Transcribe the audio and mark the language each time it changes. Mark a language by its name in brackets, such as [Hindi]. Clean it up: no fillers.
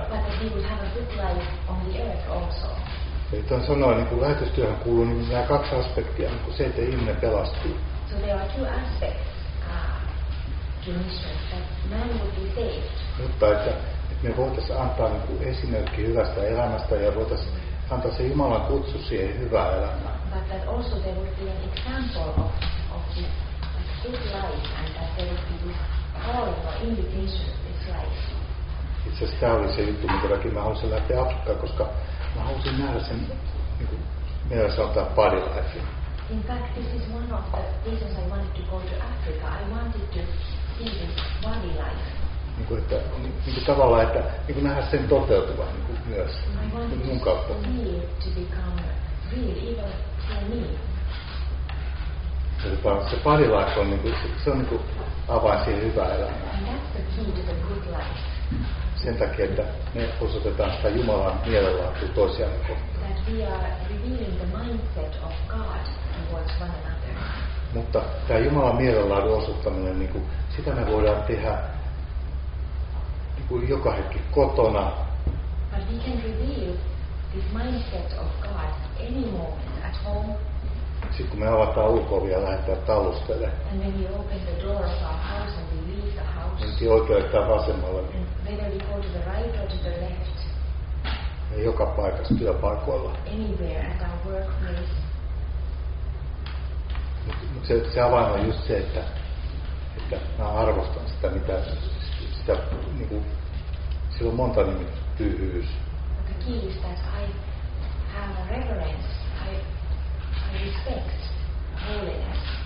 [English] But that we would have a good life on the earth also. [Finnish] Eli tuon sanoa, niin kuin lähetystyöhön kuuluu, niin nämä kaksi aspektia, niin kuin se, että ihminen pelastuu. [English] So there are two aspects to mission, that man would be saved. [Finnish] Mutta että me voitaisiin antaa niin kuin esimerkki hyvästä elämästä ja voitaisiin antaa se Jumalan kutsu siihen hyvään elämään. [English] But that also there would be an example of this good life and that there would be this calling or invitation of this life. [Finnish] Itse asiassa tämä oli se juttu, minkä takia mä haluaisin lähteä Afrikkaan, koska mä haluaisin nähdä sen, niin kuin meillä sanotaan, body life. [English] In fact, this is one of the reasons I wanted to go to Africa. I wanted to see this body life. [Finnish] Niin kuin tavallaan, että niin kuin nähdä sen toteutuvan niin kuin myös mun kautta. [English] I wanted to become real, even for me. [Finnish] Se body life on, niin kuin, se on niin kuin avain siihen hyvään elämään. [English] And that's the key to the good life. [Finnish] Sen takia, että me osoitetaan sitä Jumalan mielenlaatua toisiaan kohtaan. [English] That we are revealing the mindset of God towards one another. [Finnish] Mutta tämä Jumalan mielenlaadun osoittaminen, niin kuin, sitä me voidaan tehdä niin kuin joka hetki kotona. [English] But we can reveal this mindset of God any moment at home. [Finnish] Sitten kun me avataan ulko-ovi ja lähdetään talustelle. [English] And when we open the door of our house and we leave the house. [Finnish] Mentiin oikealle tai vasemmalle. [English] And whether we go to the right or to the left. [Finnish] Ja joka paikassa työpaikoilla. [English] Anywhere at our workplace. [Finnish] Mut se avain on just se, että mä arvostan sitä, mitä sitä niin kuin, sillä on monta nimet, tyhjyys. [English] The key is that I have a reverence, I respect holiness.